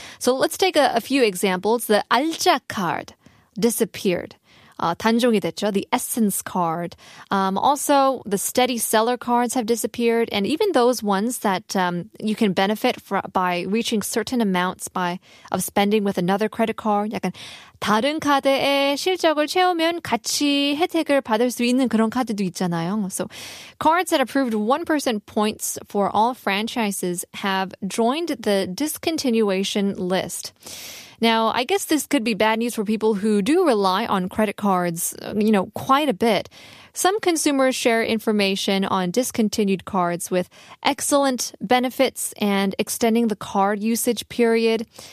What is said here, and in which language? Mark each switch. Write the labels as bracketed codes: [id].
[en] So let's take a few examples. The 알짜 card disappeared. [ko] 단종이 됐죠. [en] The Essence card. Also, the Steady Seller cards have disappeared. And even those ones that you can benefit by reaching certain amounts of spending with another credit card. [ko] 약간 다른 카드에 실적을 채우면 같이 혜택을 받을 수 있는 그런 카드도 있잖아요. [en] So, cards that approved 1% points for all franchises have joined the discontinuation list. Now, I guess this could be bad news for people who do rely on credit cards, you know, quite a bit. Some consumers share information on discontinued cards with excellent benefits and extending the card usage period.